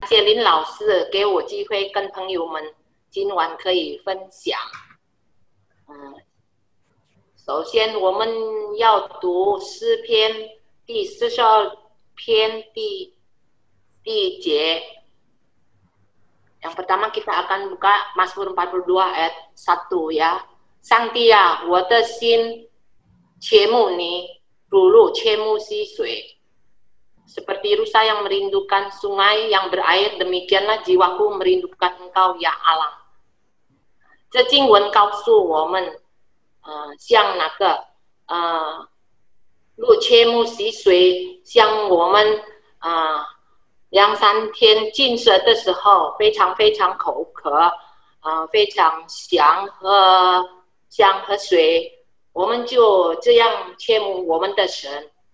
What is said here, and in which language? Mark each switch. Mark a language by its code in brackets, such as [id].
[zh] 谢林老师给我机会跟朋友们今晚可以分享。首先我们要读诗篇第四十二篇第一节。 [ms] Yang pertama kita akan buka Mazmur 42 ayat 1 ya. [zh] Sang Dia, 我的心切慕你，如鹿切慕溪水。 [ms] Seperti rusa yang merindukan sungai yang berair, demikianlah jiwaku merindukan engkau, ya Allah. [zh] 这经文告诉我们，像那个，鹿切慕溪水，像我们，两三天进食的时候，非常非常口渴，非常想喝水，我们就这样切慕我们的神。